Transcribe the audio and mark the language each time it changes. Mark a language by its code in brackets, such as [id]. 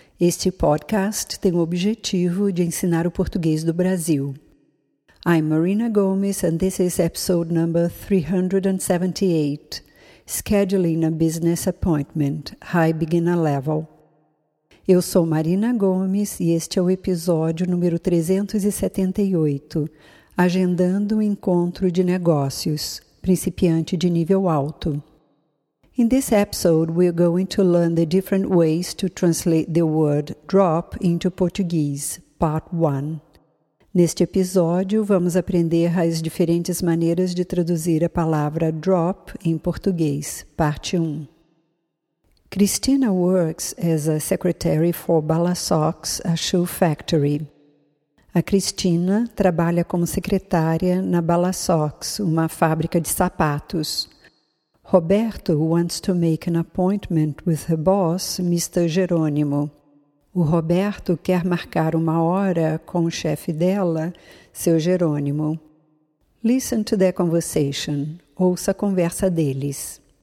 [pt] Este podcast tem o objetivo de ensinar o português do Brasil. [en] I'm Marina Gomes and this is episode number 378. Scheduling a business appointment, high beginner level. [pt] Eu sou Marina Gomes e este é o episódio número 378, Agendando um Encontro de Negócios, Principiante de Nível Alto. [en] In this episode, we are going to learn the different ways to translate the word drop into Portuguese, Part 1. [pt] Neste episódio, vamos aprender as diferentes maneiras de traduzir a palavra drop em português, Parte 1. [en] Cristina works as a secretary for Balasox, a shoe factory. [pt] A Cristina trabalha como secretária na Balasox, uma fábrica de sapatos. [en] Roberto wants to make an appointment with her boss, Mr. Jerônimo. [pt] O Roberto quer marcar uma hora com o chefe dela, seu Jerônimo. [en] Listen to their conversation. [pt] Ouça a conversa deles.